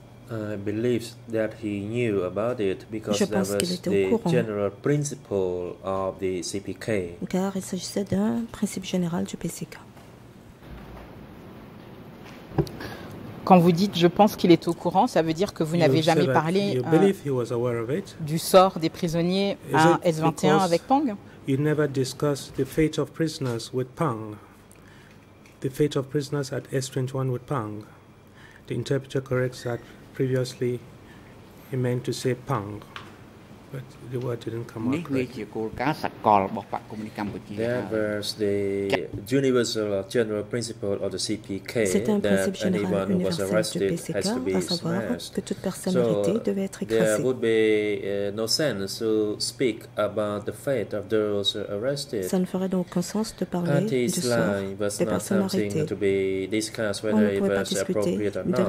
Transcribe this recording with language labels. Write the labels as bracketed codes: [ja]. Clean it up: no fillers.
[en] I believe that he knew about it because that was the general principle of the CPK. [fr] Car il s'agissait d'un principe général du PCK. Quand vous dites « je pense qu'il est au courant », ça veut dire que vous n'avez jamais parlé du sort des prisonniers à S21 avec Pang? [en] You never discussed the fate of prisoners with Pang. The fate of prisoners at S21 with Pang. The interpreter corrects that. Previously, he meant to say Pang, but the word didn't come out correct. There was the universal general principle of the CPK that anyone who was arrested has to be smashed. So there would be no sense to speak about the fate of those arrested. [fr] Ça ne ferait donc aucun sens de parler du sort des personnes arrêtées. [en] Not something to be discussed whether it was appropriate or not.